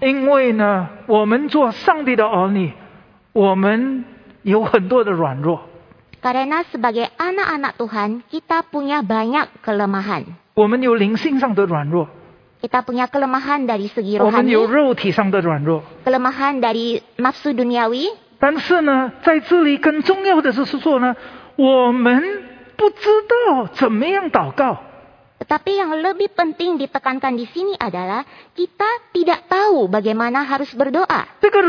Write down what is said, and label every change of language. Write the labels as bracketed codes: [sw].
[zh] 因为呢, 我们做上帝的儿女, 我们有很多的软弱。 [id] Karena sebagai anak-anak Tuhan, kita punya banyak kelemahan. [zh] 我们有灵性上的软弱。 [id] Kita punya kelemahan dari segi rohani. [zh] 我们有肉体上的软弱。 [id] Kelemahan dari nafsu duniawi. [zh] 但是呢, 在这里更重要的是说呢, 我们不知道怎么样祷告。 [id] Tetapi yang lebih penting ditekankan di sini adalah kita tidak tahu bagaimana harus berdoa.